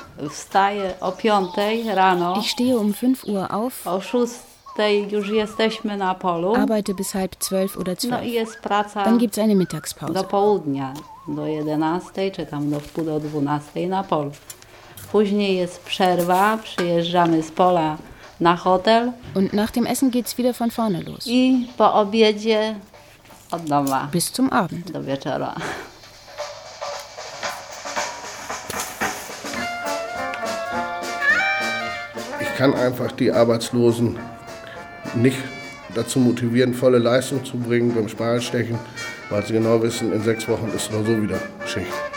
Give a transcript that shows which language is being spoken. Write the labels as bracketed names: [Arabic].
[Polish] Wstaję o 5 rano. [German] Ich stehe um 5 Uhr auf. [Polish] O 6 już jesteśmy na polu. [German] Arbeite bis halb 12 oder 12. [Polish] No i jest praca. [German] Dann gibt's eine Mittagspause. [Polish] Do południa, do 11 czy tam do wpół do 12 na polu. Później jest przerwa, przyjeżdżamy z pola na hotel. [German] Und nach dem Essen geht's wieder von vorne los. [Polish] I po obiedzie od doma. [German] Bis zum Abend. [Polish] Do wieczora. [German] Ich kann einfach die Arbeitslosen nicht dazu motivieren, volle Leistung zu bringen beim Spargelstechen, weil sie genau wissen, in 6 Wochen ist es so wieder Schicht.